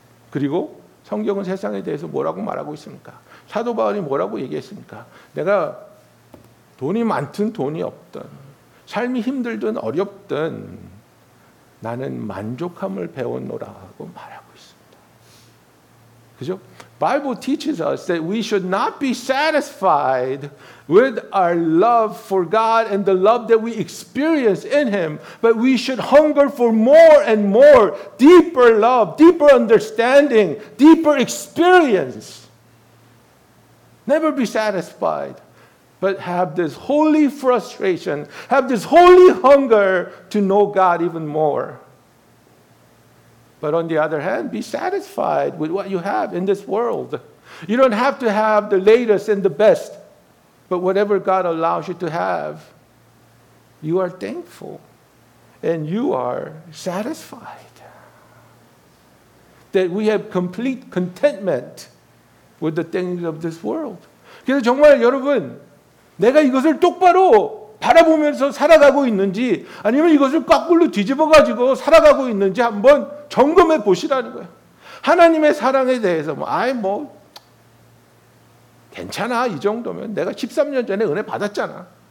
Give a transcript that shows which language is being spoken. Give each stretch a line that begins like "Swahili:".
Korean: 그리고 성경은 세상에 대해서 뭐라고 말하고 있습니까? 사도 바울이 뭐라고 얘기했습니까? 내가 돈이 많든 돈이 없든, 삶이 힘들든 어렵든 나는 만족함을 배웠노라 하고 말하고 있습니다. 그죠?
English: Bible teaches us that we should not be satisfied with our love for God and the love that we experience in Him, but we should hunger for more and more, deeper love, deeper understanding, deeper experience. Never be satisfied, but have this holy frustration, have this holy hunger to know God even more. But on the other hand, be satisfied with what you have in this world. You don't have to have the latest and the best, but whatever God allows you to have, you are thankful and you are satisfied. That we have complete contentment with the things of this world.
Korean: 그래서 정말 여러분, 내가 이것을 똑바로 바라보면서 살아가고 있는지 아니면 이것을 거꾸로 뒤집어가지고 살아가고 있는지 한번 점검해 보시라는 거예요. 하나님의 사랑에 대해서 괜찮아 이 정도면 내가 13년 전에 은혜 받았잖아.